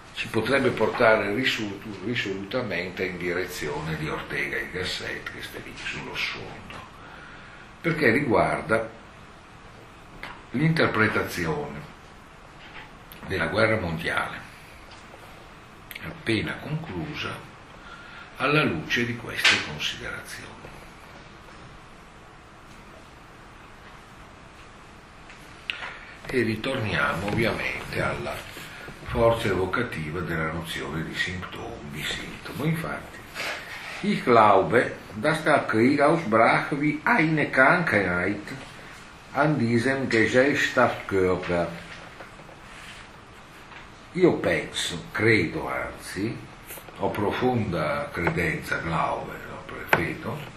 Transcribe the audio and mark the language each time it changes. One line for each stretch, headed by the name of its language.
Italian: potrebbe portare risolutamente in direzione di Ortega e Gasset, che sta lì sullo sfondo, perché riguarda l'interpretazione della guerra mondiale appena conclusa alla luce di queste considerazioni. E ritorniamo ovviamente alla forza evocativa della nozione di sintomo, di sintomo.
German: Infatti, ich glaube, dass der Krieg ausbrach wie eine Krankheit an diesem Gesellschaftskörper.
Italian: Io penso, credo anzi, ho profonda credenza, glaube, no?